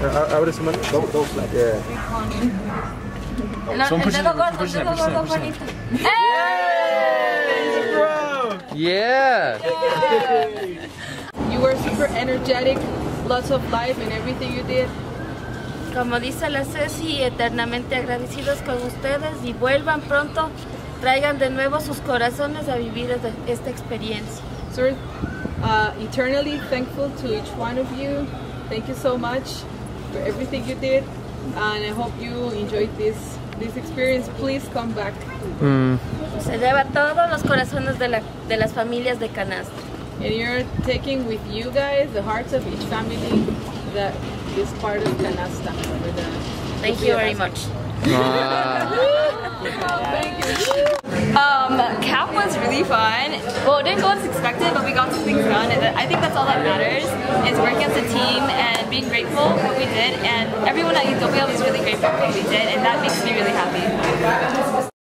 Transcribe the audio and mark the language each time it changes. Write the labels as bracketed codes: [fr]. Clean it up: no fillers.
[en] I would have some money. Don't like, yeah. Yeah! You were super energetic, lots of life in everything you did. [es] Como dice la Ceci, eternamente agradecidos con ustedes y vuelvan pronto, traigan de nuevo sus corazones a vivir esta experiencia. [en] So we're eternally thankful to each one of you. Thank you so much for everything you did, and I hope you enjoyed this experience. Please come back. [es] Se lleva todos los corazones de las familias de canasta. [en] And you're taking with you guys the hearts of each family that is part of canasta. Thank you very much. Camp was really fun. Well, it didn't go as expected, but we got some things done, and I think that's all that matters, is working as a team and being grateful for what we did, and everyone at Ethiopia was really grateful for what we did, and that makes me really happy.